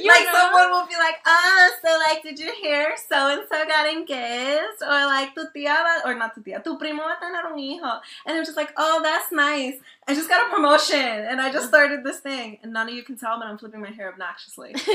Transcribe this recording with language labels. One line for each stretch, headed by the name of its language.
English: Someone will be like, did your hair so-and-so got engaged? Or like,
Spanish: tu primo va a tener un hijo.
English: And I'm just like, oh, that's nice. I just got a promotion and I just started this thing. And none of you can tell, but I'm flipping my hair obnoxiously.